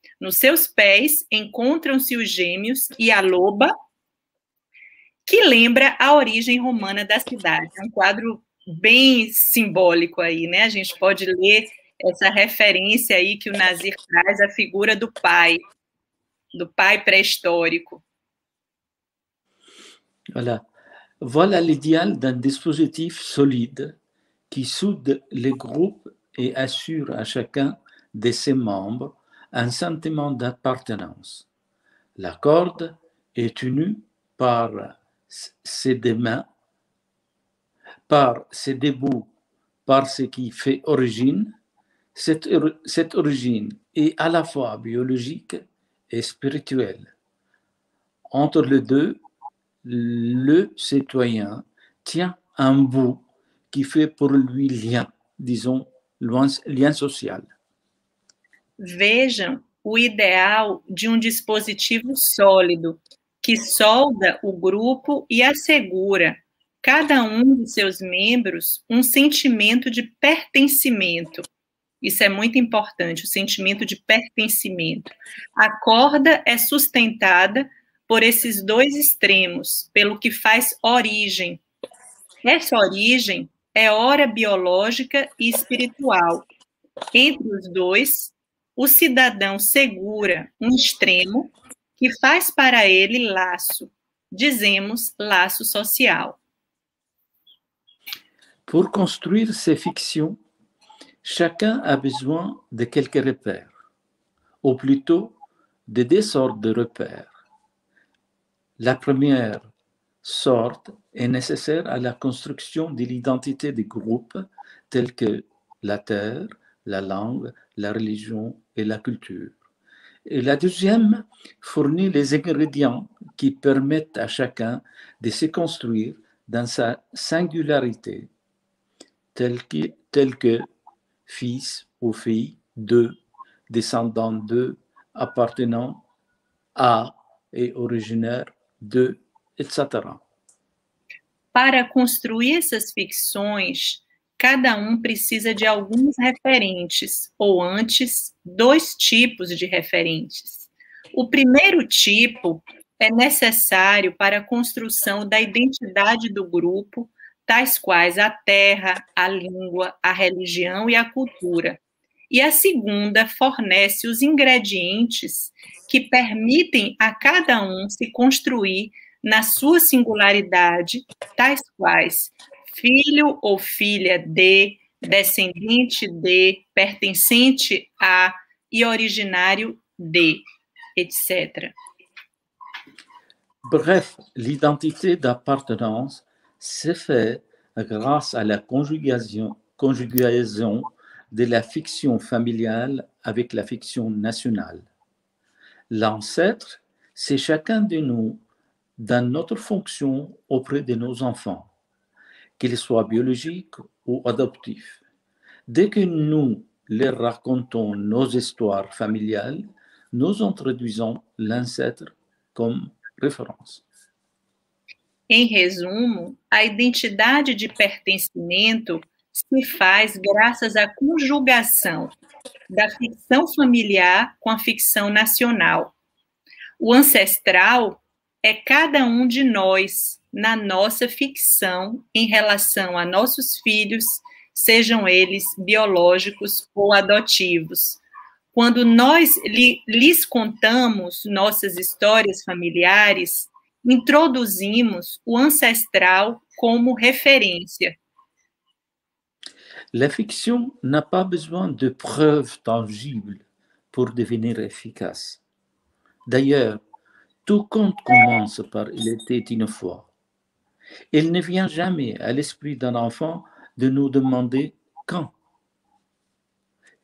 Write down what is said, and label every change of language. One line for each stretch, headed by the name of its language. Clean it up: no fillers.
Portuguese: Nos seus pés encontram-se os gêmeos e a loba, que lembra a origem romana da cidade. É um quadro bem simbólico aí, né? A gente pode ler essa referência aí que o Nazir traz, a figura do pai pré-histórico.
French: Voilà. Voilà l'idéal d'un dispositif solide qui soude les groupes et assure à chacun de ses membres un sentiment d'appartenance. La corde est tenue par ses deux mains, par ses deux bouts, par ce qui fait origine. Cette origine est à la fois biologique et spirituelle. Entre les deux, le citoyen tient un bout qui fait pour lui lien, disons, lien social.
Portuguese: Vejam o ideal de um dispositivo sólido que solda o grupo e assegura cada um dos seus membros um sentimento de pertencimento. Isso é muito importante, o sentimento de pertencimento. A corda é sustentada por esses dois extremos, pelo que faz origem. Essa origem é ora biológica e espiritual. Entre os dois, o cidadão segura um extremo que faz para ele laço. Dizemos laço social.
French: Por construir ces fictions, chacun a besoin de quelques repères, ou plutôt de deux sortes de repères. La première sorte est nécessaire à la construction de l'identité des groupes tels que la terre, la langue, la religion et la culture. Et la deuxième fournit les ingrédients qui permettent à chacun de se construire dans sa singularité, tels que fils ou fille de, descendant de, appartenant à et originaire de, etc.
Portuguese: Para construir essas ficções, cada um precisa de alguns referentes, ou antes, dois tipos de referentes. O primeiro tipo é necessário para a construção da identidade do grupo, tais quais a terra, a língua, a religião e a cultura. E a segunda fornece os ingredientes que permitem a cada um se construir na sua singularidade, tais quais filho ou filha de, descendente de, pertencente a e originário de, etc.
French: Bref, l'identité d'appartenance se fait grâce à la conjugaison de la fiction familiale avec la fiction nationale. L'ancêtre, c'est chacun de nous dans notre fonction auprès de nos enfants, qu'ils soient biologiques ou adoptifs. Dès que nous leur racontons nos histoires familiales, nous introduisons l'ancêtre comme référence. En résumé, la identité
Portuguese: de pertencimento se faz graças à conjugação da ficção familiar com a ficção nacional. O ancestral é cada um de nós, na nossa ficção, em relação a nossos filhos, sejam eles biológicos ou adotivos. Quando nós lhes contamos nossas histórias familiares, introduzimos o ancestral como referência.
French: La fiction n'a pas besoin de preuves tangibles pour devenir efficace. D'ailleurs, tout conte commence par « il était une fois ». Il ne vient jamais à l'esprit d'un enfant de nous demander « quand ».